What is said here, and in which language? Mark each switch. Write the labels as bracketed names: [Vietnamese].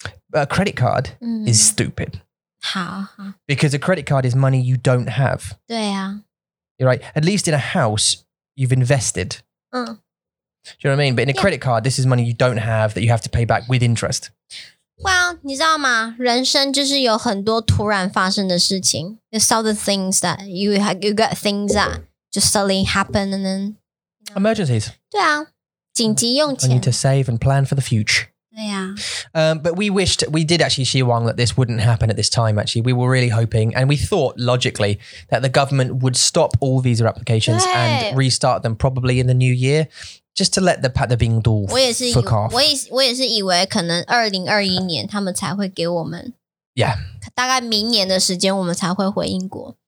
[English] But a credit card is stupid. [Chinese] 好。 [English] Because a credit card is money you don't have. [Chinese] 对啊。 [English] You're right. At least in a house, you've invested. Do you know what I mean? But in a credit card, this is money you don't have that you have to pay back with interest. [Chinese] Well, 你知道吗? 人生就是有很多突然发生的事情. [English] It's all the things that you got things that just suddenly happen and then... You know. Emergencies. [Chinese] 对啊, 紧急用钱. [English] I need to save and plan for the future. [Chinese] 对啊. [English] But we did actually [Chinese] 希望 [English] that this wouldn't happen at this time, actually. We were really hoping, and we thought logically that the government would stop all visa applications and restart them probably in the new year. Just to let the bing do fuck off. [Chinese] 我也是以为可能2021年他们才会给我们 [English] Yeah. [Chinese] 大概明年的时间我们才会回英国